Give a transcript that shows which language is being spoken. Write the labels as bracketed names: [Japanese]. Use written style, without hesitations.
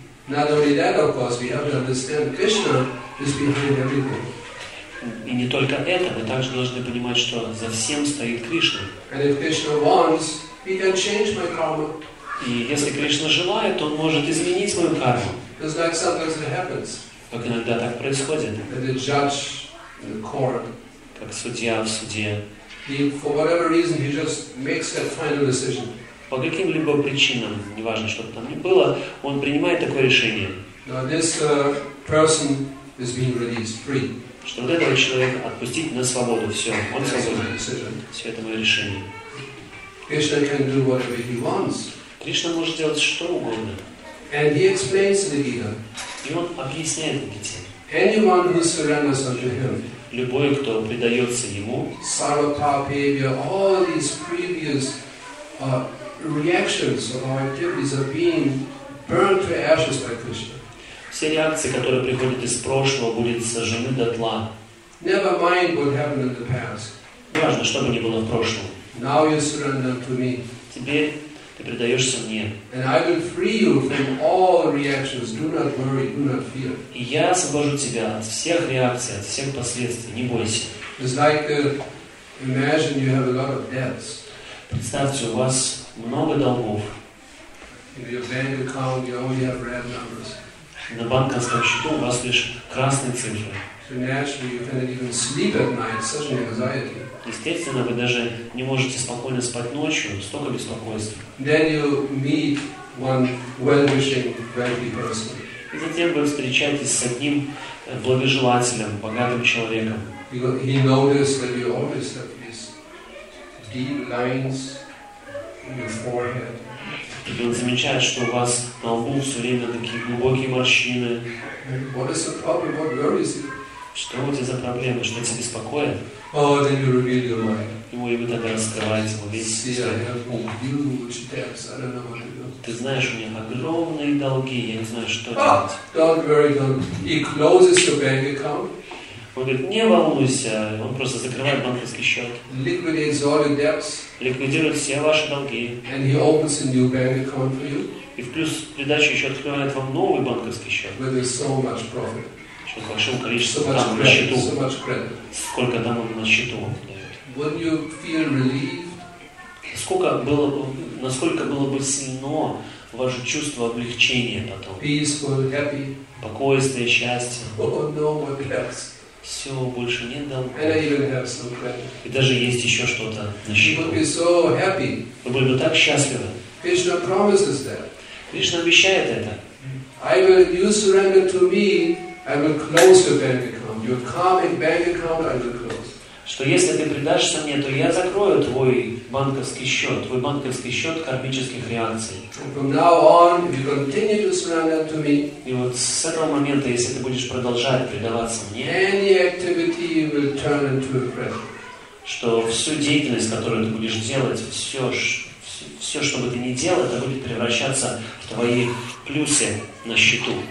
[English] Not only that, of course, we have to understand Krishna is behind everything. [Russian] И не только это, мы также должны понимать, что за всем стоит Кришна. [English] And if Krishna wants, he can change my karma. [Russian] И если Кришна желает, то он может изменить мою карму. [English] It's like sometimes it happens. [Russian] Как иногда так происходит. [English] The judge in the court, [Russian] как судья в суде. [English] He, for whatever reason, he just makes that final decision. [Russian] По каким-либо причинам, неважно, что там ни было, он принимает такое решение. [English] Now this person is being released, free. [Russian] Что вот этого человека отпустить на свободу. Все, он свободен. Все, это мое решение. [English] Krishna can do whatever he wants. [Russian] Кришна может делать что угодно. [English] And he explains the Gita. [Russian] И он объясняет Гите. [English] Anyone who surrenders unto him. [Russian] Любой, кто предается ему. [English] Sarvapapevya, all these previous reactions of our activities are being burned to ashes by Krishna. [Russian] Все реакции, которые приходят из прошлого, будут сожжены дотла. [English] Never mind what happened in the past. [Russian] Важно, что бы ни было в прошлом. [English] Now you surrender to me. [Russian] Теперь ты предаешься мне. [English] And I will free you from all reactions. Do not worry, do not fear. [Russian] И я освобожу тебя от всех реакций, от всех последствий. Не бойся. [English] It's like imagine you have a lot of debts. [Russian] Представьте, у вас много долгов. [English] In your bank account, you only have red numbers. [Russian] На банковском счету у вас лишь красные цифры. [English] So naturally, you cannot even sleep at night. Such an anxiety. [Russian] Естественно, вы даже не можете спокойно спать ночью, столько беспокойств. [English] Then you meet one well-wishing, wealthy person. [Russian] И затем вы встречаетесь с одним благожелателем, богатым человеком. [English] He noticed that you always have these deep lines in your forehead. [Russian] И он замечает, что у вас на лбу все время такие глубокие морщины. [English] What is the problem? What worries you? [Russian] Что у тебя за проблемы? Что тебя беспокоит? [English] Oh, then you reveal your mind. [Russian] Ему и вы тогда раскрываете его весь. [English] See, I have huge debts. I don't know what to do. [Russian] Ты знаешь, у меня огромные долги. Я не знаю, что делать. [English] Don't worry, don't. He closes your bank account. [Russian] Он говорит, не волнуйся. Он просто закрывает банковский счет. [English] Liquidates all your debts. [Russian] Ликвидирует все ваши долги. [English] And he opens a new bank account for you. [Russian] И в плюс придачу еще открывает вам новый банковский счет. [English] With so much profit. [Russian] Что большим количеством там на счету. [English] So much credit. [Russian] Сколько там он на счету дает. [English] When you feel relief, [Russian] сколько было бы, насколько было бы сильно ваше чувство облегчения потом. [English] Peaceful, happy. [Russian] Покойствие, счастье. [English] Oh, no more debts. [Russian] Все, больше нет долгов. [English] And I even have some credit. [Russian] И даже есть еще что-то на счету. [English] You would be so happy. [Russian] Вы были бы так счастливы. [English] Krishna promises that. [Russian] Кришна обещает это. [English] I will, you surrender to me, I will close your bank account. Your karmic bank account I will close. [Russian] Что если ты предашься мне, то я закрою твой банковский счет кармических реакций. [English] From now on, if you continue to surrender to me. [Russian] И вот с этого момента, если ты будешь продолжать предаваться мне, [English] any activity will turn into a prayer. [Russian] Что всю деятельность, которую ты будешь делать, все все, что бы ты ни делал, это будет превращаться в твои плюсы на счету.